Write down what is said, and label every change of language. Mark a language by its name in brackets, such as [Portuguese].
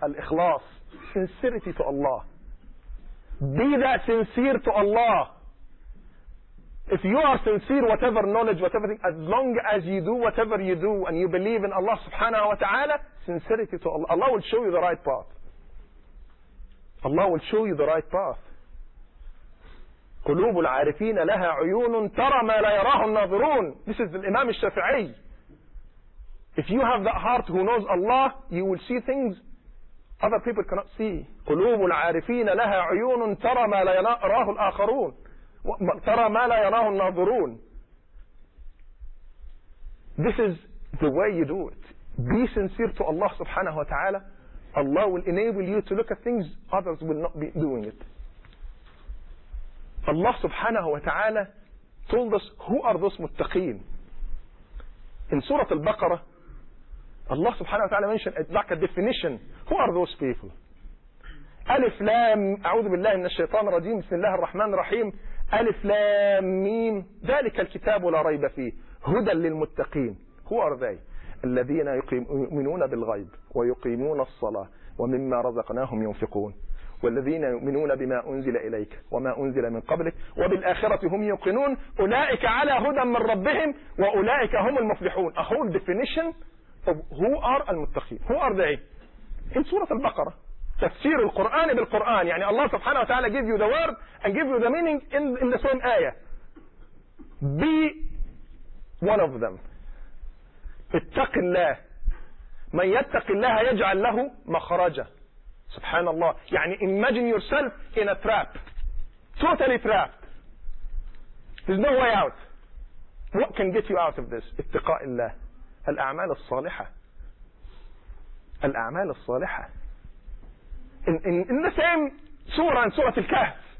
[English] الإخلاص, sincerity to Allah. Be that sincere to Allah. If you are sincere, whatever knowledge, whatever thing, as long as you do whatever you do and you believe in Allah subhanahu wa ta'ala, sincerity to Allah, Allah will show you the right path. Allah will show you the right path. [Arabic] قلوب العارفين لها عيون ترى ما لا يراه الناظرون. [English] This is the Imam Shafi'i. If you have that heart who knows Allah, you will see things other people cannot see. [Arabic] قلوب العارفين لها عيون ترى ما لا يراه الآخرون. ترى ما لا يراه الناظرون. [English] This is the way you do it. Be sincere to Allah subhanahu wa ta'ala. Allah will enable you to look at things others will not be doing it. Allah subhanahu wa ta'ala told us who are those muttaqeen. In Surah Al-Baqarah, Allah subhanahu wa ta'ala mentioned like a definition. Who are those people? [Arabic] ألف لام أعوذ بالله من الشيطان الرجيم بسم الله الرحمن الرحيم ألف لام ميم ذلك الكتاب لا ريب فيه هدى للمتقين. [English] Who are they? [Arabic] الذين يؤمنون بالغيب ويقيمون الصلاة ومما رزقناهم ينفقون والذين يؤمنون بما أنزل إليك وما أنزل من قبلك وبالآخرة هم يوقنون أولئك على هدى من ربهم وأولئك هم المفلحون. [English] A whole definition of who are المتقين. Who are they? In سورة البقرة [Arabic] تفسير القرآن بالقرآن, يعني الله سبحانه وتعالى [English] give you the word and give you the meaning in the same آية. Be one of them. [Arabic] اتق الله. من يتق الله يجعل له مخرجا. سبحان الله. يعني [English] imagine yourself in a trap. Totally trapped. There's no way out. What can get you out of this? [Arabic] اتقاء الله. الأعمال الصالحة. الأعمال الصالحة. [English] In the same surah, in سورة الكهف.